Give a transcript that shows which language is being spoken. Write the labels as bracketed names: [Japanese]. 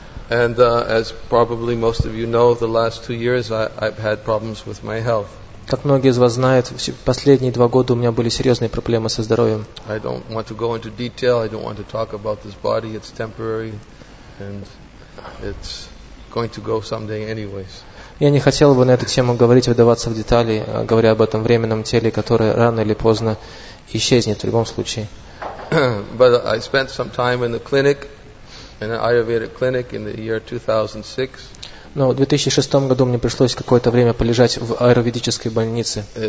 [English] And as probably most of you know, the last 2 years I've had problems with my health. [Russian] Как многие из вас знают, последние 2 года у меня были серьезные проблемы со здоровьем. [English] I don't want to go into detail. I don't want to talk about this body. It's temporary, and it's going to go someday anyways. [Russian] Я не хотел бы на эту тему говорить, вдаваться в детали, говоря об этом временном теле, которое рано или поздно исчезнет в любом случае. [English] But I spent some time in the clinic, in an Ayurvedic clinic, in the year 2006. [Russian] Но в 2006 году мне пришлось какое-то время полежать в аюрведической больнице.